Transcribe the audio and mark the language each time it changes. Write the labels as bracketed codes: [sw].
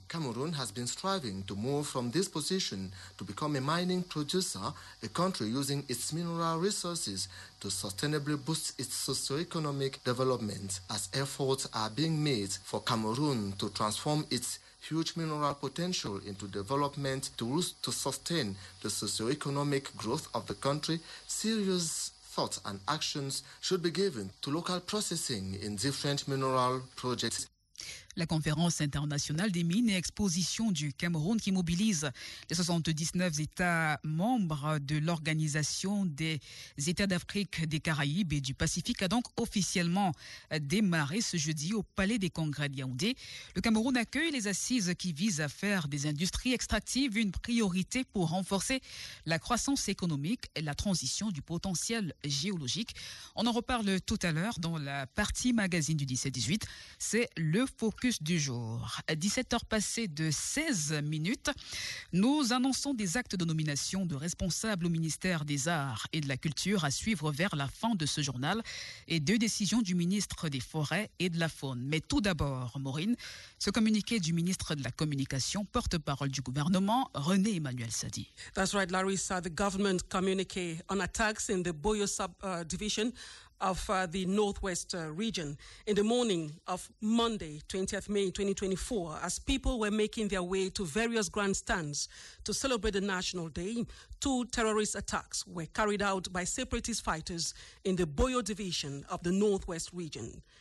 [en] Cameroon has been striving to move from this position to become a mining producer, a country using its mineral resources to sustainably boost its socioeconomic development, as efforts are being made for Cameroon to transform its huge mineral potential into development tools to sustain the socioeconomic growth of the country. Serious thoughts and actions should be given to local processing in different mineral projects. [fr] La Conférence internationale des mines et expositions du Cameroun qui mobilise les 79 États membres de l'Organisation des États d'Afrique, des Caraïbes et du Pacifique a donc officiellement démarré ce jeudi au Palais des Congrès de Yaoundé. Le Cameroun accueille les assises qui visent à faire des industries extractives une priorité pour renforcer la croissance économique et la transition du potentiel géologique. On en reparle tout à l'heure dans la partie magazine du 17-18. C'est le focus du jour. 17h passées de 16 minutes, nous annonçons des actes de nomination de responsables au ministère des Arts et de la Culture à suivre vers la fin de ce journal et deux décisions du ministre des Forêts et de la Faune. Mais tout d'abord, Maureen, ce communiqué du ministre de la Communication, porte-parole du gouvernement, René Emmanuel Sadi. [en] That's right, Larissa. The government communiqué on attacks in the Boyo subdivision of the Northwest region in the morning of Monday, 20th May 2024, as people were making their way to various grandstands to celebrate the National Day, two terrorist attacks were carried out by separatist fighters in the Boyo division of the Northwest region.